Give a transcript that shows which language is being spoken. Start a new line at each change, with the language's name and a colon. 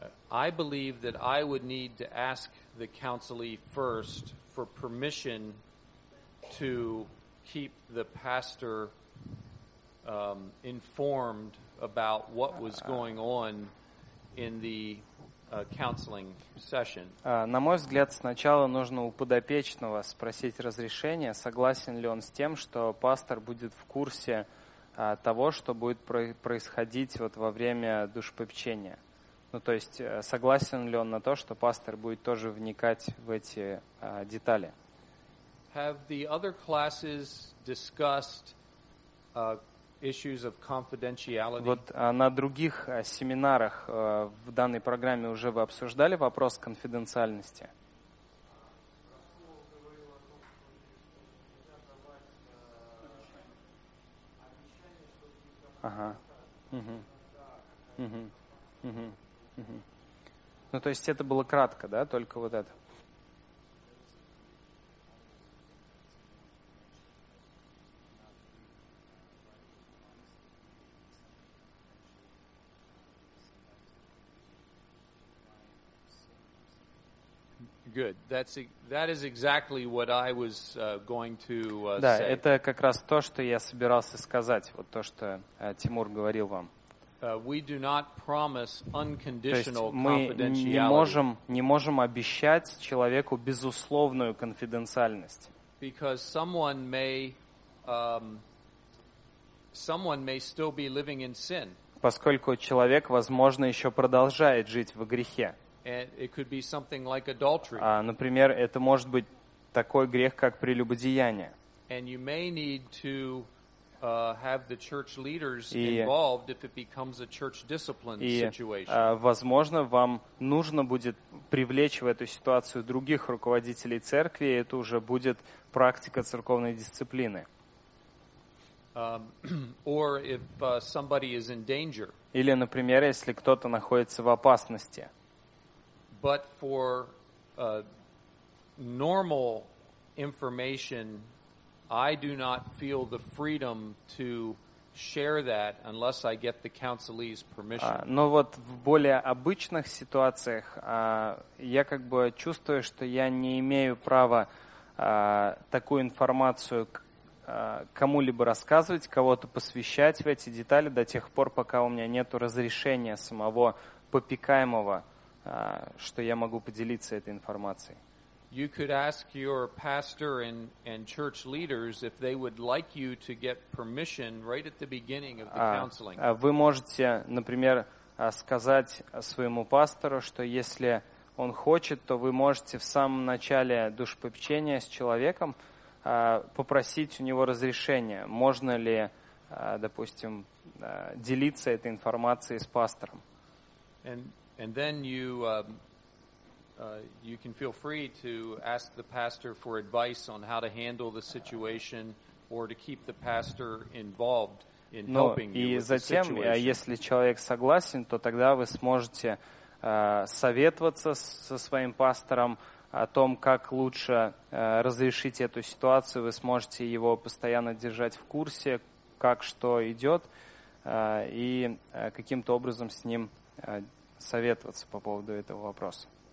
English: I believe that I would need to ask the counselee first for permission to keep the pastor informed about what was going on in the counseling session.
Russian: На мой взгляд, сначала нужно у подопечного спросить разрешение, согласен ли он с тем, что пастор будет в курсе того, что будет происходить вот во время душепопечения. Ну, то есть, согласен ли он на то, что пастор будет тоже вникать в эти детали.
English: Have the other classes discussed issues of confidentiality?
Russian: Вот на других семинарах в данной программе уже вы обсуждали вопрос конфиденциальности? Ага. Ну, то есть это было кратко, да, только вот это.
English: Good. That is exactly what I was going to say.
Russian: Да, это как раз то, что я собирался сказать, вот то, что Тимур говорил вам.
English: We do not promise unconditional confidentiality.
Russian: То есть мы не можем обещать человеку безусловную конфиденциальность.
English: Because someone may still be living in sin.
Russian: Поскольку человек, возможно, еще продолжает жить в грехе.
English: It could be something like adultery.
Russian: Например, это может быть такой грех, как прелюбодеяние.
English: And you may need to have the church leaders involved if it becomes a church discipline situation.
Russian: Возможно, вам нужно будет привлечь в эту ситуацию других руководителей церкви, и это уже будет практика церковной дисциплины.
English: Or if somebody is in danger.
Russian: Или, например, если кто-то находится в опасности.
English: But for normal information, I do not feel the freedom to share that unless I get the counselee's permission.
Russian: Но вот в более обычных ситуациях я как бы чувствую, что я не имею права такую информацию кому-либо рассказывать, кого-то посвящать в эти детали до тех пор, пока у меня нету разрешения самого попекаемого. Что я могу поделиться этой информацией.
English: You could ask your pastor and church leaders if they would like you to get permission right at the beginning of the counseling.
Russian: Вы можете, например, сказать своему пастору, что если он хочет, то вы можете в самом начале душепопечения с человеком попросить у него разрешения. Можно ли, допустим, делиться этой информацией с пастором?
English: And then you can feel free to ask the pastor for advice on how to handle the situation or to keep the pastor involved in helping you with the situation.
Russian: Ну, и затем, если человек согласен, то тогда вы сможете советоваться со своим пастором о том, как лучше разрешить эту ситуацию. Вы сможете его постоянно держать в курсе, как что идет, и каким-то образом с ним советоваться по поводу этого вопроса.